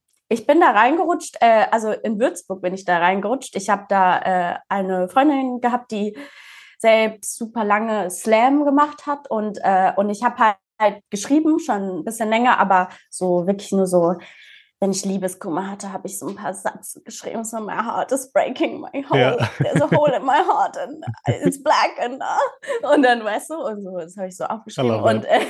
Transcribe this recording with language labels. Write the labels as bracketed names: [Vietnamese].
[German] Ich bin da reingerutscht, also in Würzburg bin ich da reingerutscht. Ich habe da eine Freundin gehabt, die selbst super lange Slam gemacht hat und ich habe halt geschrieben, schon ein bisschen länger, aber so wirklich nur so, wenn ich Liebeskummer hatte, habe ich so ein paar Sätze geschrieben. [English] So, my heart is breaking my hole. Yeah. There's a hole in my heart and it's black. [German] Und dann, weißt du, und so, das habe ich so aufgeschrieben.